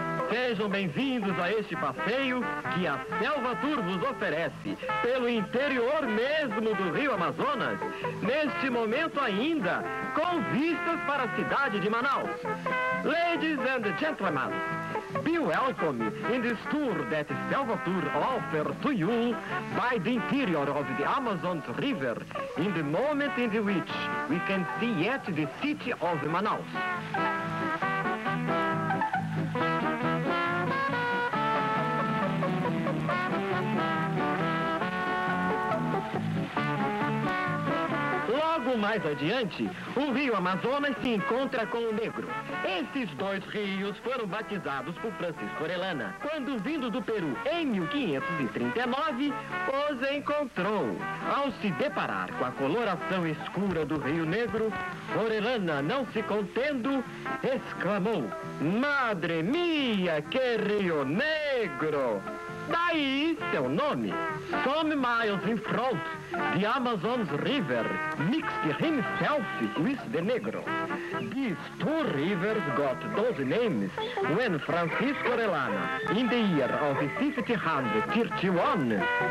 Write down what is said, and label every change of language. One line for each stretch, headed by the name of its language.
Portuguese: Sejam bem-vindos a este passeio que a Selva Tour vos oferece pelo interior mesmo do Rio Amazonas, neste momento ainda, com vistas para a cidade de Manaus.
English: Ladies and gentlemen, be welcome in this tour that Selva Tour offer to you by the interior of the Amazon River in the moment in which we can see yet the city of Manaus.
Portuguese: Mais adiante, o rio Amazonas se encontra com o negro. Esses dois rios foram batizados por Francisco Orellana, quando, vindo do Peru em 1539, os encontrou. Ao se deparar com a coloração escura do rio negro, Orellana, não se contendo, exclamou:
Spanish: Madre mia, que rio negro!
Portuguese: Daí seu nome.
English: Some miles in front, the Amazon's river mixed himself with the Negro. These two rivers got those names when Francisco Orellana, in the year of 1531...